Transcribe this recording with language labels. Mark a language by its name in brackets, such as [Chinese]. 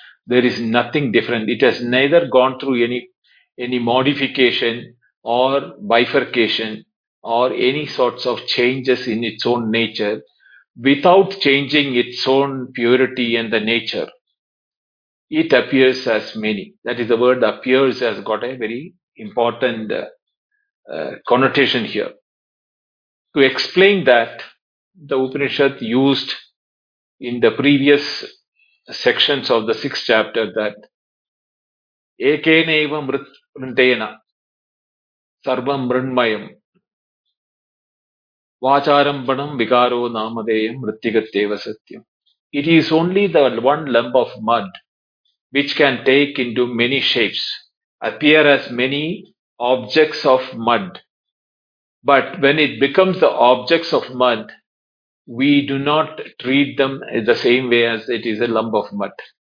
[English] There is nothing different. It has neither gone through any modification or bifurcation or any sorts of changes in its own nature. Without changing its own purity and the nature, it appears as many. That is, the word appears has got a very important connotation here. To explain that, the Upanishad used in the previous sections of the 6th chapter that [Sanskrit] ekeneva mrityena sarvam mrinmayam வாசாரம்பணம் விகாரோ நாமதேயம் மிருத்திகத்தேவ Sathyam. [English] It is only the one lump of mud which can take into many shapes, appear as many objects of mud. But when it becomes the objects of mud, we do not treat them the same way as it is a lump of mud.